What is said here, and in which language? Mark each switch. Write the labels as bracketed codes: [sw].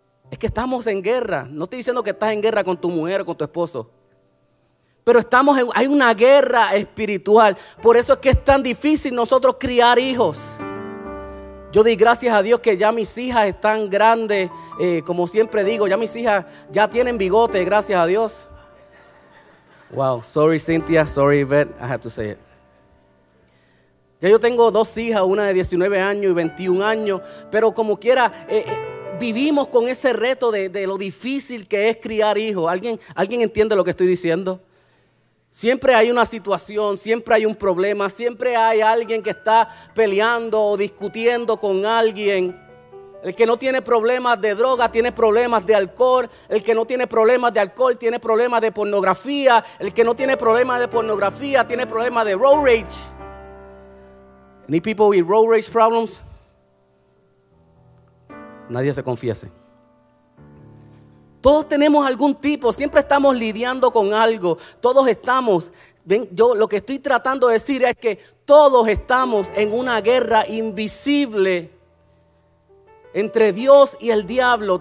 [es] Es que estamos en guerra. No estoy diciendo que estás en guerra con tu mujer o con tu esposo. Pero hay una guerra espiritual. Por eso es que es tan difícil nosotros criar hijos. Yo di gracias a Dios que ya mis hijas están grandes, como siempre digo, ya mis hijas ya tienen bigote, gracias a Dios. [en] Wow, sorry Cynthia, sorry Yvette, I had to say it. [es] Ya yo tengo dos hijas, una de 19 años y 21 años, pero como quiera, vivimos con ese reto de lo difícil que es criar hijos. ¿Alguien entiende lo que estoy diciendo? Siempre hay una situación, siempre hay un problema, siempre hay alguien que está peleando o discutiendo con alguien. El que no tiene problemas de droga tiene problemas de alcohol. El que no tiene problemas de alcohol tiene problemas de pornografía. El que no tiene problemas de pornografía tiene problemas de road rage. [en] Any people with road rage problems? [es] Nadie se confiese. Todos tenemos algún tipo, siempre estamos lidiando con algo. Todos estamos, ven, yo lo que estoy tratando de decir es que todos estamos en una guerra invisible entre Dios y el diablo.